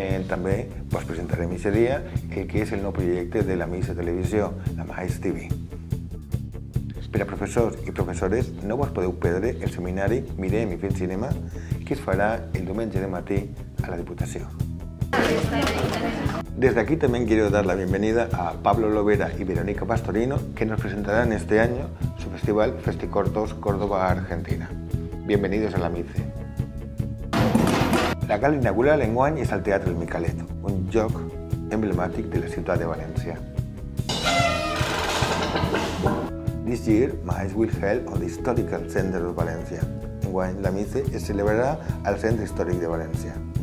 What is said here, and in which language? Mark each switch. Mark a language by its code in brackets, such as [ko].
[ca] També us presentarem aquest dia el que és el nou projecte de la MICE Televisió, la MICE TV. Per a professors i professores, no us podeu perdre el seminari Mirem i fem cinema, que es farà el diumenge de matí a la Diputació. Des d'aquí també [es] quiero dar la bienvenida a Pablo Lovera i Verónica Pastorino, que nos presentaran este año su festival Festicortos Córdoba Argentina. Bienvenidos a la MICE. [ca] La gala inaugural enguany és el Teatre del Micalet, un lloc emblemàtic de la ciutat de València. [en] This year, MICE will fell on the historical center of València. [ca] Enguany, la MICE es celebrarà al Centre Històric de València.